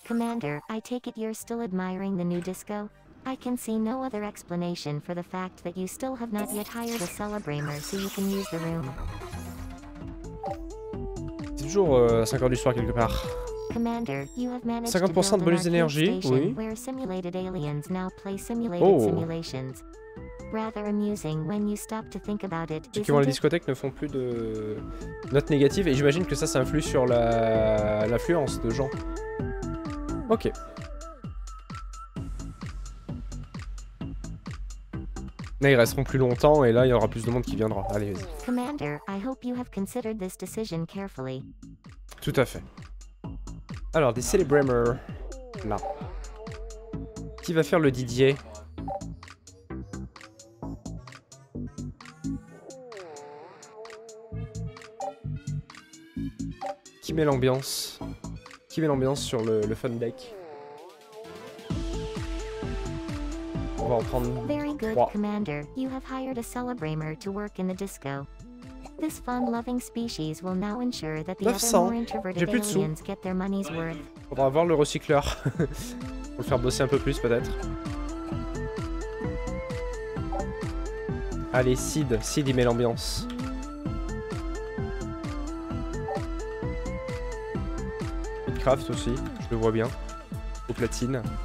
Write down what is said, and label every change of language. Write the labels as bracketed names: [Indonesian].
[English] Commander, I take it you're still admiring the new disco? I can see no other explanation for the fact that you still have not yet hired a celebramer so you can use the room. [French] C'est toujours 5h du soir quelque part. 50% de bonus d'énergie, oui. [English] Where simulated aliens now play simulated simulations. Rather amusing when you stop to think about it. [French] Ceux qui vont à la discothèque ne font plus de notes négatives et j'imagine que ça influe sur l'affluence de gens. Ok. Là, ils resteront plus longtemps et là, il y aura plus de monde qui viendra. Allez, vas-y. [English] Commander, I hope you have considered this decision carefully. [French] Tout à fait. Alors, des Celebramers. Là. Qui va faire le Didier? Qui met l'ambiance? Qui met l'ambiance sur le fun deck? On va en prendre 3. [English] Very good, Commander. You have hired a Celebramer to work in the disco. This fun-loving species will now ensure that the other more introverted aliens get their money's worth. [French] On va avoir le recycleur. Pour le faire bosser un peu plus, peut-être. Allez, Sid. Sid, il met l'ambiance. Minecraft aussi, je le vois bien. Au platine.